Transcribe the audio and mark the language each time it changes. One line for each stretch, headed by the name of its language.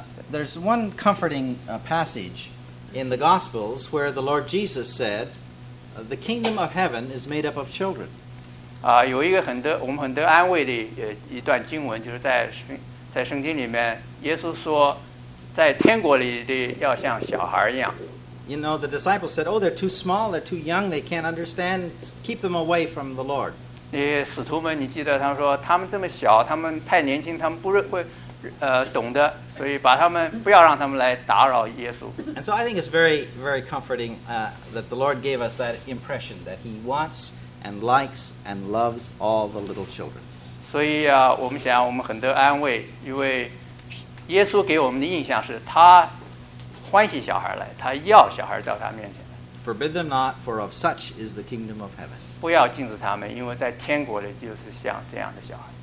English: There's one comforting passage in the Gospels where the Lord Jesus said, the kingdom of heaven is made up of children.
Chinese: 有一个很得我们很得安慰的一段经文，就是在圣经里面，耶稣说在天国里的要像小孩一样。
English: You know, the disciples said, oh, they're too small, they're too young, they can't understand, keep them away from the Lord.
Chinese: 那些使徒们，你记得他们说，他们这么小，他们太年轻，他们不会懂得，所以把他们不要让他们来打扰耶稣。
English: And so I think it's very, very comforting that the Lord gave us that impression that he wants and likes and loves all the little children.
Chinese: 所以我们想我们很得安慰，因为耶稣给我们的印象是他欢喜小孩来，他要小孩到他面前来。
English: Forbid them not, for of such is the kingdom of heaven.
Chinese: 不要禁止他们，因为在天国里就是像这样的小孩。